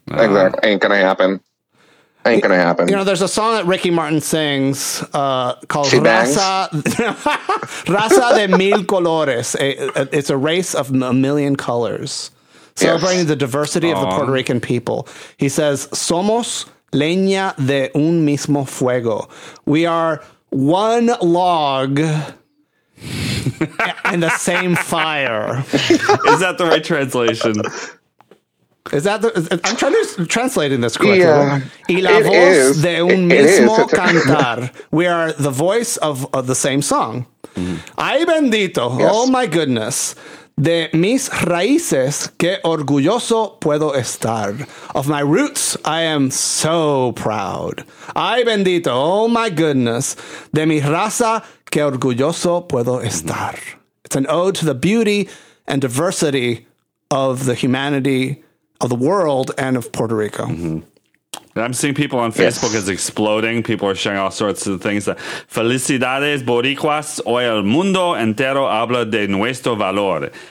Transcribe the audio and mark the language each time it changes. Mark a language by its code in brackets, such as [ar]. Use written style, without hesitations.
[en] Exactly. Ain't gonna happen. You know, there's a song that Ricky Martin sings called "Raza Raza de Mil Colores." It's a race of a million colors. Celebrating the diversity of the Puerto Rican people. [es] He says, somos leña de un mismo fuego. [en] We are one log in the same fire. Is that the right translation? I'm trying to translate this correctly. Yeah, [es] y la voz [en] is. [es] De un it mismo is. Cantar. [en] We are the voice of the same song. Mm-hmm. [es] Ay bendito. [en] Yes. Oh my goodness. [es] De mis raíces, que orgulloso puedo estar. [en] Of my roots, I am so proud. [es] Ay, bendito, [en] oh my goodness. [es] De mi raza, que orgulloso puedo estar. [en] It's an ode to the beauty and diversity of the humanity of the world and of Puerto Rico. Mm-hmm. I'm seeing people on Facebook is exploding. People are sharing all sorts of things. [es] Felicidades, boricuas. Hoy el mundo entero habla de nuestro valor.